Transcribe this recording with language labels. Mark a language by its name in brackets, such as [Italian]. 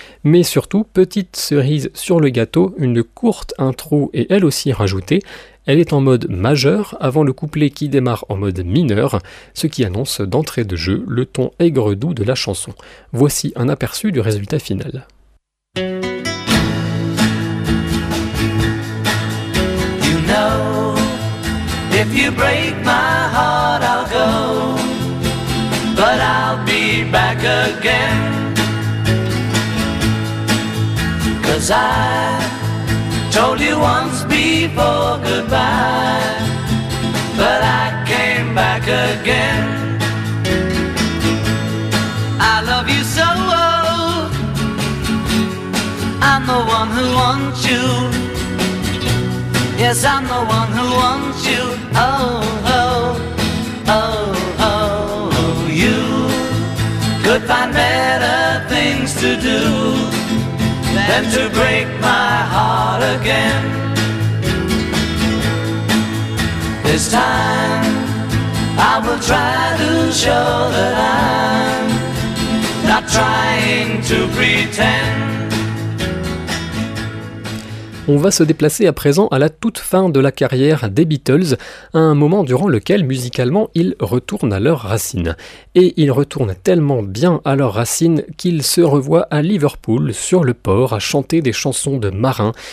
[French] Mais surtout, petite cerise sur le gâteau, une courte intro est elle aussi rajoutée. Elle est en mode majeur avant le couplet qui démarre en mode mineur, ce qui annonce d'entrée de jeu le ton aigre-doux de la chanson. Voici un aperçu du résultat final. [English] You know, if you break my heart, I'll go, but I'll be back again. Cause I told you once before goodbye, but I came back again. I love you so, well. I'm the one who wants you. Yes, I'm the one who wants you. Oh, oh, oh, oh, oh, you could find better things to do than to break my heart again. This time I will try to show that I'm not trying to pretend. [French] On va se déplacer à présent à la toute fin de la carrière des Beatles, à un moment durant lequel, musicalement, ils retournent à leurs racines. Et ils retournent tellement bien à leurs racines qu'ils se revoient à Liverpool, sur le port, à chanter des chansons de marins.